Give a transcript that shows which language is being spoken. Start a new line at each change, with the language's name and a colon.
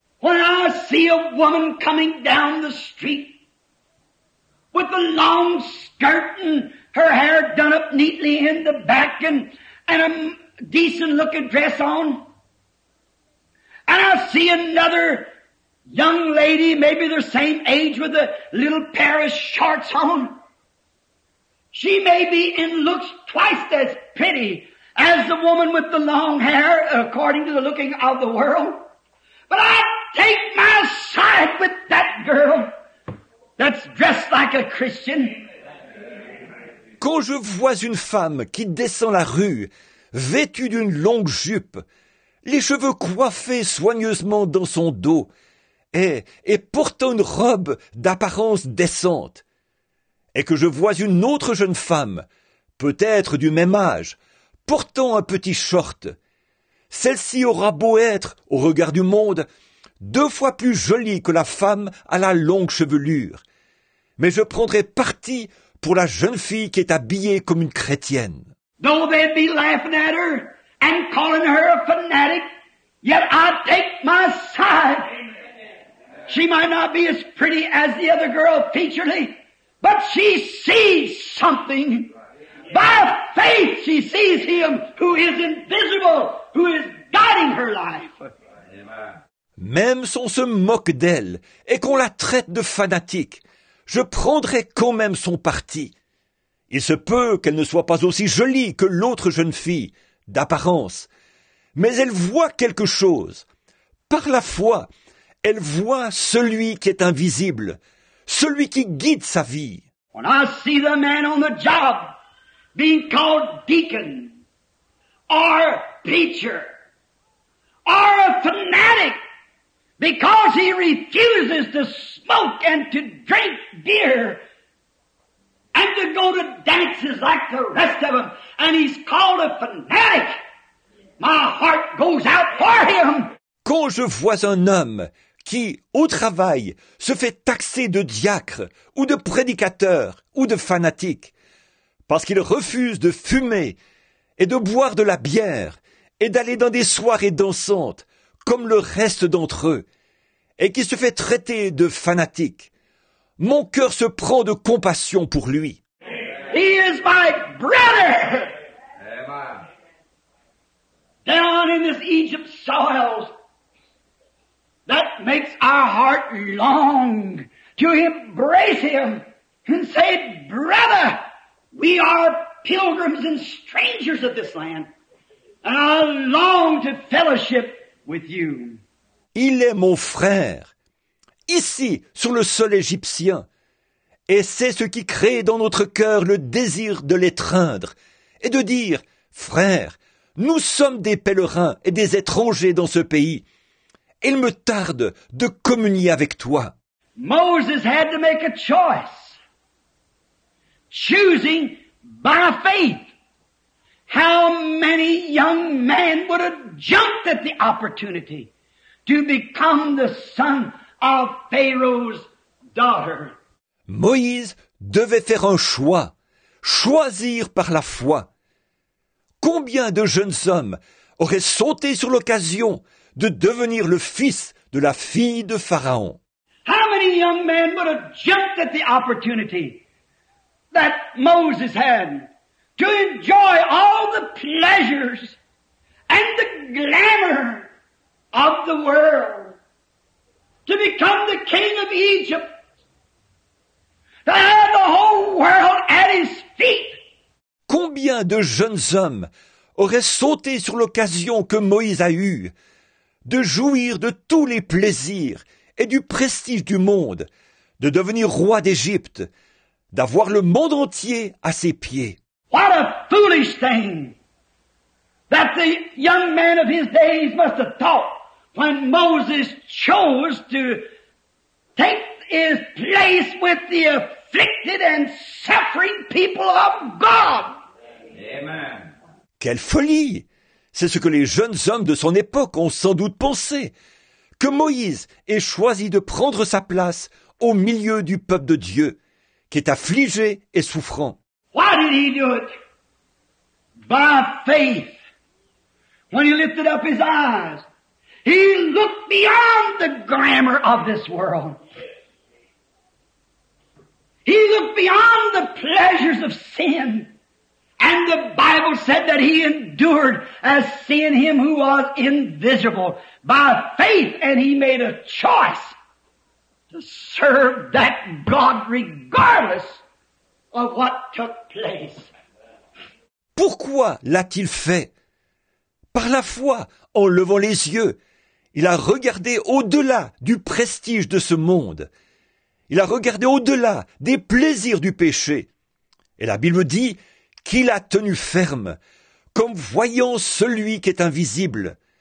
English: When I see a woman coming down the street with a long skirt and her hair done up neatly in the back and a decent looking dress on, and I see another young lady, maybe the same age, with a little pair of shorts on. She may be and looks twice as pretty as the woman with the long hair, according to the looking of the world. But I take my side with that girl that's dressed like a Christian.
French: Quand je vois une femme qui descend la rue, vêtue d'une longue jupe, les cheveux coiffés soigneusement dans son dos, et portant une robe d'apparence décente, et que je vois une autre jeune femme, peut-être du même âge, portant un petit short, celle-ci aura beau être, au regard du monde, deux fois plus jolie que la femme à la longue chevelure. Mais je prendrai parti pour la jeune fille qui est habillée comme une chrétienne.
English: Though they be laughing at her and calling her a fanatic, yet I take my side. She might not be as pretty as the other girl featurely, but she sees something. By faith she sees him who is invisible, who is guiding her life.
French: Même si on se moque d'elle et qu'on la traite de fanatique, je prendrai quand même son parti. Il se peut qu'elle ne soit pas aussi jolie que l'autre jeune fille, d'apparence, mais elle voit quelque chose. Par la foi, elle voit celui qui est invisible, celui qui guide sa vie.
English: When I see the man on the job being called deacon, or preacher, or a fanatic, because he refuses to smoke and to drink beer, and to go to dances like the rest of them, and he's called a fanatic, my heart goes out for him.
French: Quand je vois un homme qui, au travail, se fait taxer de diacre ou de prédicateur ou de fanatique, parce qu'il refuse de fumer et de boire de la bière et d'aller dans des soirées dansantes comme le reste d'entre eux, et qui se fait traiter de fanatique, mon cœur se prend de compassion pour lui.
English: He is my brother. Amen. Down in this Egypt soil, that makes our heart long to embrace him and say, brother, we are pilgrims and strangers of this land, and I long to fellowship with you.
French: Il est mon frère, ici, sur le sol égyptien, et c'est ce qui crée dans notre cœur le désir de l'étreindre et de dire, frère, nous sommes des pèlerins et des étrangers dans ce pays. Il me tarde de communier avec toi.
English: Moses had to make a choice, choosing by faith. How many young men would have jumped at the opportunity to become the son of Pharaoh's daughter?
French: Moïse devait faire un choix, choisir par la foi. Combien de jeunes hommes auraient sauté sur l'occasion de devenir le fils de la fille de Pharaon?
English: How many young men would have jumped at the opportunity that Moses had to enjoy all the pleasures and the glamour of the world, to become the king of Egypt, to have the whole world at his feet?
French: Combien de jeunes hommes auraient sauté sur l'occasion que Moïse a eue de jouir de tous les plaisirs et du prestige du monde, de devenir roi d'Égypte, d'avoir le monde entier à ses pieds?
English: What a foolish thing that the young man of his days must have thought when Moses chose to take his place with the afflicted and suffering people of God. Amen.
French: Quelle folie! C'est ce que les jeunes hommes de son époque ont sans doute pensé, que Moïse ait choisi de prendre sa place au milieu du peuple de Dieu, qui est affligé et souffrant.
English: Why did he do it? By faith. When he lifted up his eyes, he looked beyond the glamour of this world. He looked beyond the pleasures of sin. And the Bible said that he endured as seeing him who was invisible by faith, and he made a choice to serve that God regardless of what took place.
French: Pourquoi l'a-t-il fait? Par la foi, en levant les yeux, il a regardé au-delà du prestige de ce monde. Il a regardé au-delà des plaisirs du péché. Et la Bible dit qu'il a tenu ferme, comme voyant celui qui est invisible.